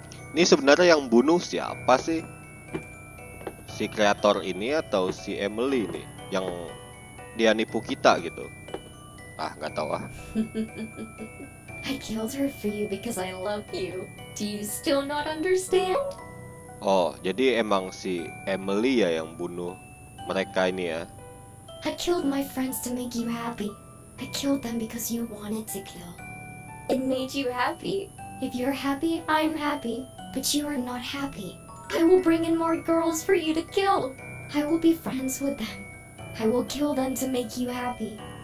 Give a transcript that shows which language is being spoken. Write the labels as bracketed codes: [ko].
[id] Ini sebenarnya yang bunuh siapa sih? Si kreator ini atau si Emily ini yang dia nipu kita gitu? Ah, nggak tahu ah. [en] I killed her for you because I love you. Do you still not understand? [id] Oh, jadi emang si Emily ya yang bunuh mereka ini ya? [en] I killed my friends to make you happy. I killed them because you wanted to kill. It made you happy. If you're happy, I'm happy. But you are not happy. I will bring in more girls for you to kill. I will be friends with them. I will kill them to make you happy.